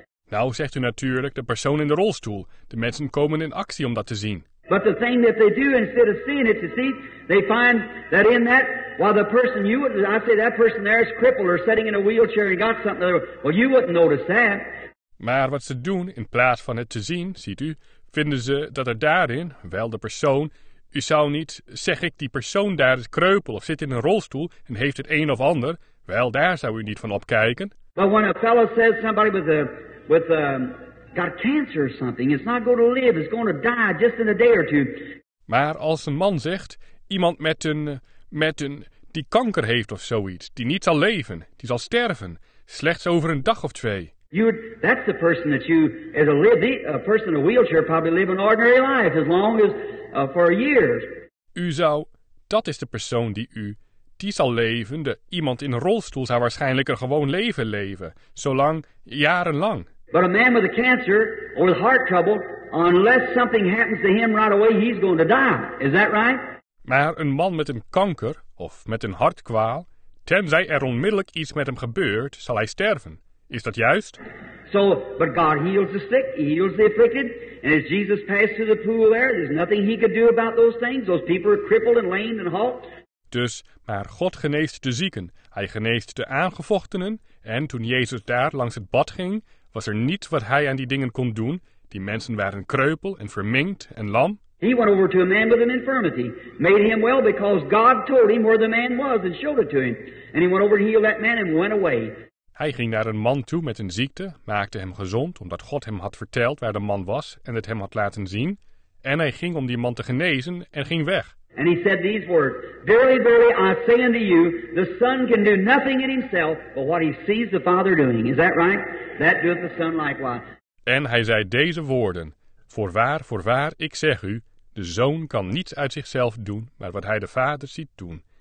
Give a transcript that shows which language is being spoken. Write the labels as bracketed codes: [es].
[nl] Nou zegt u natuurlijk, de persoon in de rolstoel, de mensen komen in actie om dat te zien. [en] But the thing that they do instead of seeing it, you see, they find that in that, while the person you would, I say that person there is crippled or sitting in a wheelchair and got something, well you wouldn't notice that. [nl] Maar wat ze doen, in plaats van het te zien, ziet u, vinden ze dat er daarin, wel de persoon, u zou niet, zeg ik, die persoon daar is kreupel of zit in een rolstoel en heeft het een of ander, wel daar zou u niet van opkijken. [en] But when a fellow says somebody with a got cancer or something, it's not going to live, it's going to die just in a day or two. [nl] Maar als een man zegt, iemand met een die kanker heeft of zoiets, die niet zal leven, die zal sterven, slechts over een dag of twee. [en] That's the person that you as a person in a wheelchair probably live an ordinary life as long as for years. [nl] Dat is de persoon die u, die zal leven, de iemand in een rolstoel zou waarschijnlijk een gewoon leven, zolang, jarenlang. [en] But a man with a cancer or with heart trouble, unless something happens to him right away, he's going to die. Is that right? [nl] Maar een man met een kanker of met een hartkwaal, tenzij er onmiddellijk iets met hem gebeurt, zal hij sterven. Is dat juist? [en] So, but God heals the sick, he heals the afflicted. And as Jesus passed through the pool there, there's nothing he could do about those things. Those people are crippled and lame and halt. [nl] Dus, maar God geneest de zieken. Hij geneest de aangevochtenen. En toen Jezus daar langs het bad ging, was er niets wat hij aan die dingen kon doen. Die mensen waren kreupel en verminkt en lam. [en] He went over to a man with an infirmity. Made him well because God told him where the man was and showed it to him. And he went over and healed that man and went away. [nl] Hij ging naar een man toe met een ziekte, maakte hem gezond, omdat God hem had verteld waar de man was en het hem had laten zien. En hij ging om die man te genezen en ging weg. [en] And he said these words, verily, verily, I say unto you, the Son can do nothing in himself but what he sees the Father doing. Is that right? That doeth the Son likewise. [nl] En hij zei deze woorden, voorwaar, ik zeg u, de Zoon kan niets uit zichzelf doen, maar wat hij de Vader ziet doen.